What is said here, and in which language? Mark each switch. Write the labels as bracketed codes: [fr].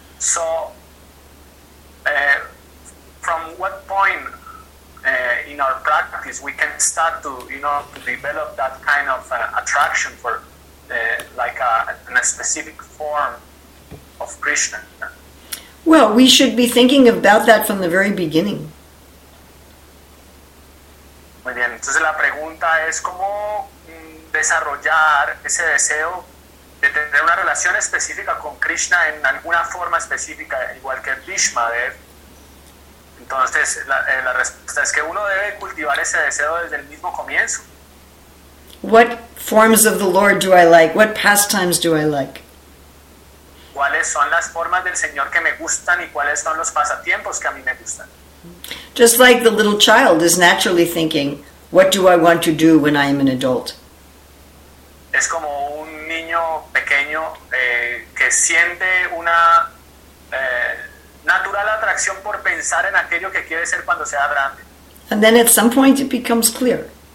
[en] So from what point in our practice we can start to, you know, to develop that kind of attraction for a specific form of Krishna? Well, we should be thinking about that from the very beginning. [es] Muy bien, entonces la pregunta es cómo desarrollar ese deseo de tener una relación específica con Krishna en alguna forma específica, igual que Bhishma. Entonces, la respuesta es que uno debe cultivar ese deseo desde el mismo comienzo. [en] What forms of the Lord do I like? What pastimes do I like? [es] ¿Cuáles son las formas del Señor que me gustan y cuáles son los pasatiempos que a mí me gustan? [en] Just like the little child is naturally thinking, what do I want to do when I am an adult? [es] Es como un niño pequeño que siente una natural atracción por pensar en aquello que quiere ser cuando sea grande. [en] And then at some point it becomes clear.